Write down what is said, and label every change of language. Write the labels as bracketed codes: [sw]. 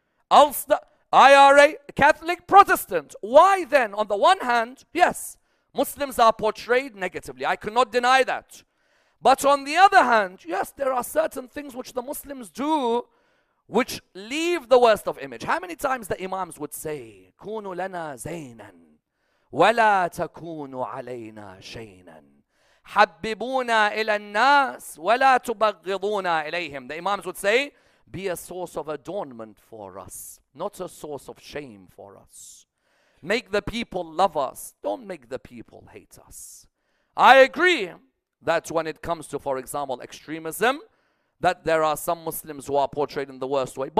[en] Ulster, IRA, Catholic Protestant. Why then? On the one hand, yes, Muslims are portrayed negatively. I cannot deny that. But on the other hand, yes, there are certain things which the Muslims do which leave the worst of image. How many times the imams would say, [ar] كُونُ لَنَا زَيْنًا وَلَا تَكُونُ عَلَيْنَا شَيْنًا حَبِّبُونَا إِلَى النَّاسِ وَلَا تُبَغِّضُونَا إِلَيْهِمْ. [en] The imams would say, be a source of adornment for us, not a source of shame for us. Make the people love us, don't make the people hate us. I agree that when it comes to, for example, extremism, that there are some Muslims who are portrayed in the worst way.